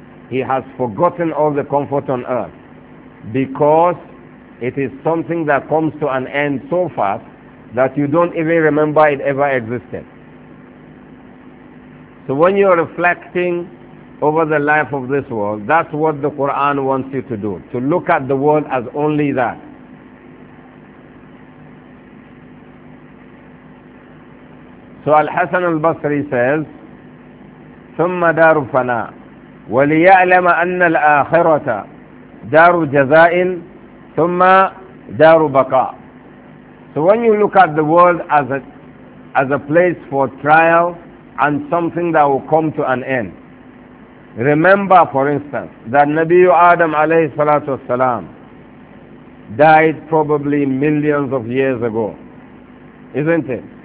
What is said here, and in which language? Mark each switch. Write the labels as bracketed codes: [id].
[en] He has forgotten all the comfort on earth because it is something that comes to an end so fast that you don't even remember it ever existed. So when you're reflecting over the life of this world, that's what the Quran wants you to do, to look at the world as only that. So Al-Hasan al-Basri says, [ar] ثم دار فناء وليعلم أن الآخرة دار جزاء ثم دار بقاء. [en] So when you look at the world as a place for trial and something that will come to an end, remember, for instance, that Nabi Adam alayhi salatu wasalam died probably millions of years ago, isn't it?